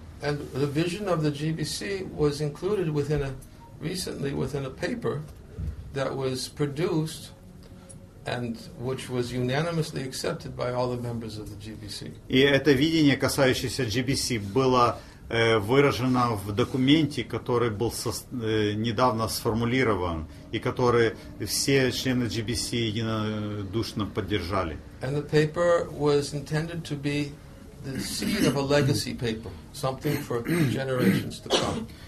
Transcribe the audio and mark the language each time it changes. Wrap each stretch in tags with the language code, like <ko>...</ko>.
<en>And the vision of the GPC was included within a recently within a paper that was produced and which was unanimously accepted by all the members of the GBC.</en> <ru>И это видение, касающееся GBC, было выражено в документе, который был недавно сформулирован и который все члены GBC единодушно поддержали.</ru> <en>And the paper was intended to be the seed of a legacy paper, something for generations to come.</en>